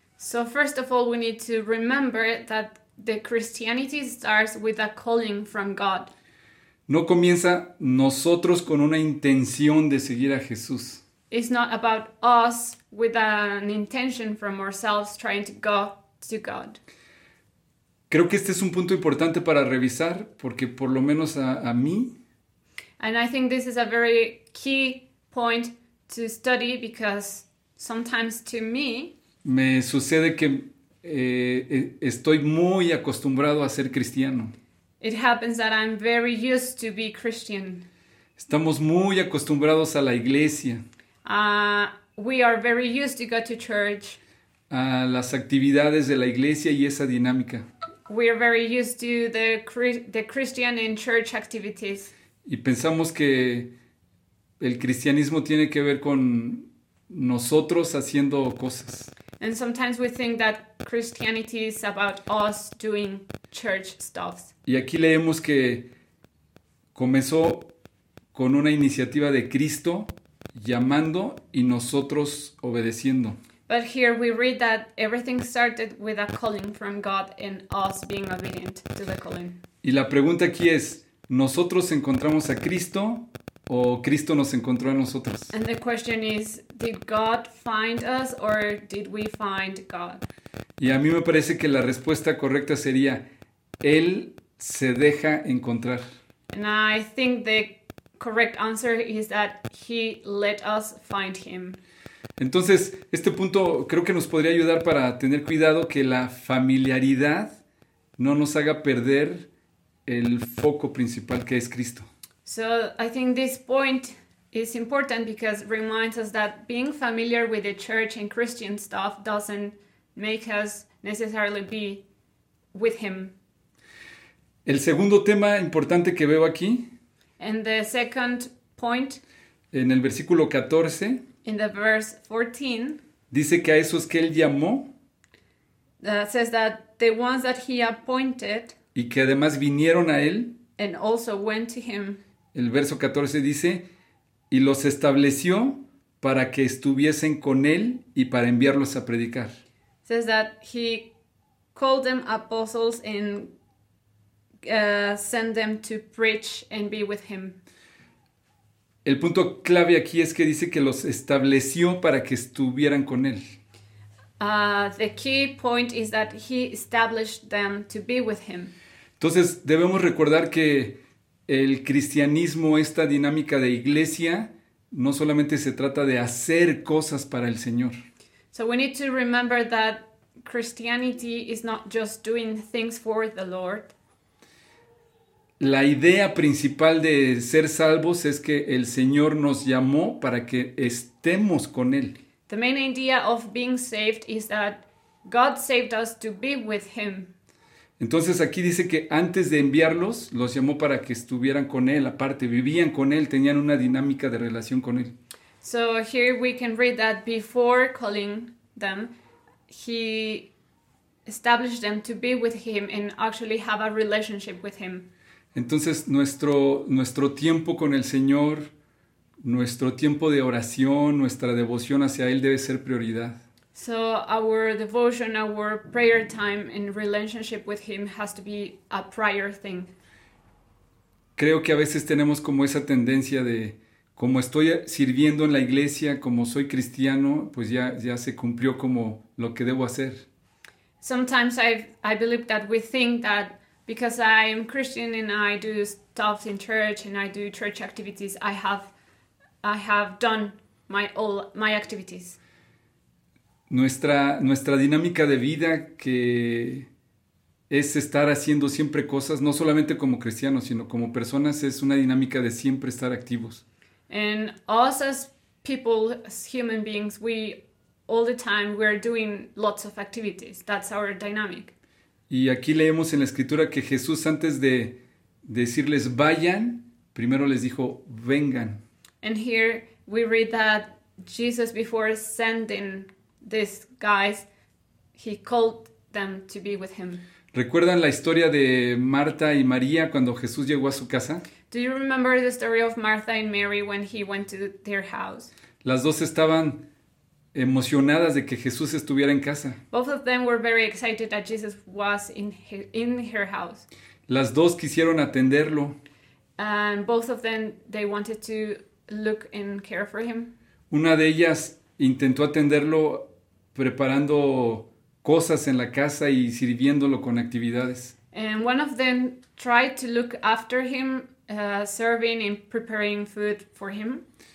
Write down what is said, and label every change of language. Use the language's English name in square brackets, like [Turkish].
[English] So first of all, we need to remember that the Christianity starts with a calling from God. [Spanish] No comienza nosotros con una intención de seguir a Jesús. [English] It's not about us with an intention from ourselves trying to go to God. [Spanish] Creo que este es un punto importante para revisar, porque por lo menos a mí... [English] And I think this is a very key point to study, because sometimes to me... [Spanish] Me sucede que estoy muy acostumbrado a ser cristiano. [English] It happens that I'm very used to be Christian. [Spanish] Estamos muy acostumbrados a la iglesia. [English] We are very used to go to church. [Spanish] A las actividades de la iglesia y esa dinámica. [English] We are very used to the Christian and church activities. [Spanish] Y pensamos que el cristianismo tiene que ver con nosotros haciendo cosas. [English] And sometimes we think that Christianity is about us doing church stuff. [Spanish] Y aquí leemos que comenzó con una iniciativa de Cristo llamando y nosotros obedeciendo. [English] But here we read that everything started with a calling from God and us being obedient to the calling. [Spanish] Y la pregunta aquí es, ¿nosotros encontramos a Cristo o Cristo nos encontró a nosotros? [English] And the question is, did God find us or did we find God? [Spanish] Y a mí me parece que la respuesta correcta sería, Él se deja encontrar. [English] And I think the correct answer is that He let us find Him. [Spanish] Entonces, este punto creo que nos podría ayudar para tener cuidado que la familiaridad no nos haga perder el foco principal que es Cristo. [English] So, I think this point is important because it reminds us that being familiar with the church and Christian stuff doesn't make us necessarily be with Him. [Spanish] El segundo tema importante que veo aquí, [English] and the second point, [Spanish] en el versículo 14, [English] in the verse 14, [Spanish] dice que a esos que él llamó, [English] says that the ones that he appointed, [Spanish] y que además vinieron a él, [English] and also went to him. [Spanish] El verso 14 dice, y los estableció para que estuviesen con él y para enviarlos a predicar. [English] Says that he called them apostles and send them to preach and be with him. [Spanish] El punto clave aquí es que dice que los estableció para que estuvieran con él. [English] The key point is that he established them to be with him. [Spanish] Entonces, debemos recordar que el cristianismo, esta dinámica de iglesia, no solamente se trata de hacer cosas para el Señor. [English] So we need to remember that Christianity is not just doing things for the Lord. [Spanish] La idea principal de ser salvos es que el Señor nos llamó para que estemos con Él. [English] The main idea of being saved is that God saved us to be with him. [Spanish] Entonces aquí dice que antes de enviarlos, los llamó para que estuvieran con él, aparte, vivían con él, tenían una dinámica de relación con él. [English] So here we can read that before calling them, he established them to be with him and actually have a relationship with him. [Spanish] Entonces nuestro tiempo con el Señor, nuestro tiempo de oración, nuestra devoción hacia él debe ser prioridad. [English] So our devotion, our prayer time in relationship with him has to be a prior thing. [Spanish] Creo que a veces tenemos como esa tendencia de, como estoy sirviendo en la iglesia, como soy cristiano, pues ya se cumplió como lo que debo hacer. [English] Sometimes I believe that we think that because I am Christian and I do stuff in church and I do church activities, I have done all my activities. [Spanish] Nuestra dinámica de vida, que es estar haciendo siempre cosas, no solamente como cristianos, sino como personas, es una dinámica de siempre estar activos. [English] And us as people, as human beings, we all the time we're doing lots of activities. That's our dynamic. [Spanish] Y aquí leemos en la escritura que Jesús, antes de decirles vayan, primero les dijo vengan. [English] And here we read that Jesus, before sending these guys, he called them to be with him. [Spanish] ¿Recuerdan la historia de Marta y María cuando Jesús llegó a su casa? [English] Do you remember the story of Martha and Mary when he went to their house? [Spanish] Las dos estaban emocionadas de que Jesús estuviera en casa. [English] Both of them were very excited that Jesus was in her house. [Spanish] Las dos quisieron atenderlo. [English] And both of them, they wanted to look and care for him. [Spanish] Una de ellas intentó atenderlo preparando cosas en la casa y sirviéndolo con actividades. [English] And one of them tried to look after him, serving and preparing food for him.